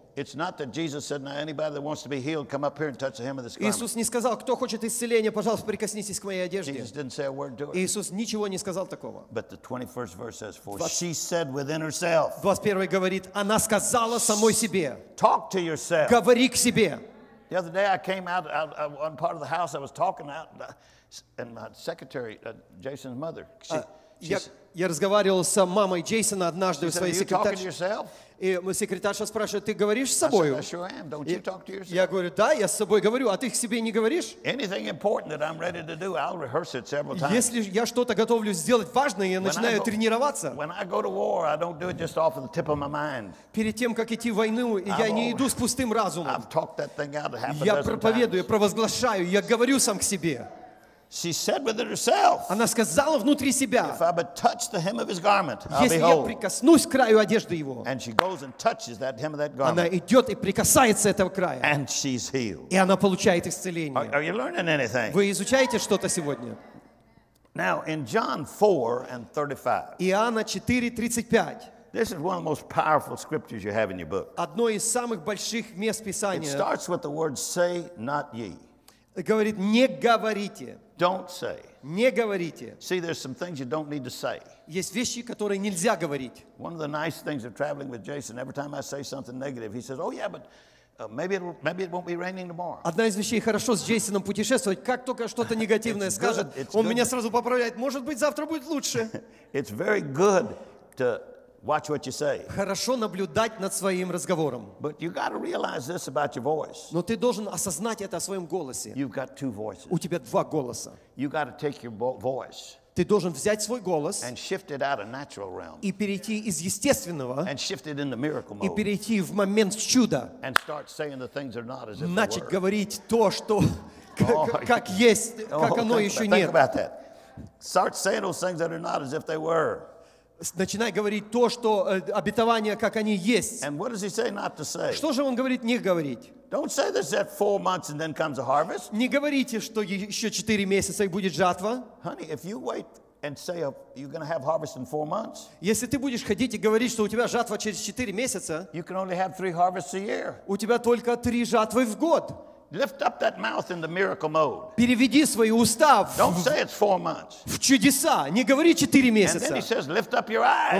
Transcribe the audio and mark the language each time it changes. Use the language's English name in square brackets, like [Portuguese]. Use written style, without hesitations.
[English] It's not that Jesus said, "Now anybody that wants to be healed, come up here and touch the hem of this garment." [Russian] Иисус не сказал, кто хочет исцеления, пожалуйста, прикоснитесь к моей одежде. [English] Jesus didn't say a word to her. [Russian] Иисус ничего не сказал такого. [English] But the 21st verse says, "For she said within herself." [Russian] 21 говорит, она сказала самой себе. [English] Talk to yourself. [Russian] Говори к себе. [English] The other day, I came out on part of the house. I was talking out, and my secretary, Jason's mother. [Russian] Я разговаривал с мамой Джейсона однажды, [English] said, [Russian] своей секретаршей. И секретарша спрашивает, ты говоришь с собой? [English] Said, sure [Russian] и, я говорю, да, я с собой говорю, а ты к себе не говоришь? [English] Anything important that I'm ready to do, I'll rehearse it several times. [Russian] Если я что-то готовлю сделать важное, я начинаю тренироваться. [English] When I go to war, I don't do it just off of the tip of my mind. [Russian] Перед тем, как идти в войну, я не иду с пустым разумом. [English] I've talked that thing out half a dozen times. [Russian] Я проповедую, провозглашаю, я говорю сам к себе. [English] She said within herself. [Russian] Она сказала внутри себя. [English] If I but touch the hem of his garment, I'll behold. [Russian] Если я прикоснусь к краю одежды его. [English] And she goes and touches that hem of that garment. [Russian] Она идет и прикасается этого края. [English] And she's healed. [Russian] И она получает исцеление. [English] Are you learning anything? [Russian] Вы изучаете что-то сегодня? [English] Now in John 4:35. [Russian] Иоанна 4:35. [English] This is one of the most powerful scriptures you have in your book. [Russian] Одно из самых больших мест Писания. [English] It starts with the word "say not ye." [Russian] Говорит, не говорите. [English] Don't say. [Russian] Не говорите. [English] See, there's some things you don't need to say. [Russian] Есть вещи, которые нельзя говорить. [English] One of the nice things of traveling with Jason, every time I say something negative, he says, "Oh yeah, but maybe it won't be raining tomorrow." [Russian] Одна из вещей хорошо с Джейсоном путешествовать, как только что-то негативное скажет, он меня сразу поправляет. Может быть, завтра будет лучше. [English] It's very good to watch what you say. [Russian] Хорошо наблюдать над своим разговором. [English] But you got to realize this about your voice. [Russian] Но ты должен осознать это о своем голосе. [English] You've got two voices. [Russian] У тебя два голоса. [English] You got to take your voice. [Russian] Ты должен взять свой голос [English] and shift it out of natural realm. [Russian] И перейти из естественного [English] and shift it into miracle mode. [Russian] И перейти в момент чуда. [English] And start saying the things are not as if they were. [Russian] Начать говорить то, что как есть, как оно еще нет. [English] Think about that. Start saying those things that are not as if they were. [Russian] Начинай говорить то, что обетования, как они есть. [English] And what does he say not to say? [Russian] Что же он говорит не говорить? [English] Don't say this at 4 months and then comes a harvest. [Russian] Не говорите, что еще 4 месяца и будет жатва. [English] Honey, if you wait and say you're going to have harvest in 4 months, [Russian] если ты будешь ходить и говорить, что у тебя жатва через 4 месяца, [English] you can only have 3 harvests a year. [Russian] У тебя только 3 жатвы в год. [English] Lift up that mouth in the miracle mode. [Russian] Переведи свои уста. [English] Don't say it's 4 months. [Russian] В чудеса. Не говори 4 месяца. [English] And then he says, lift up your eyes.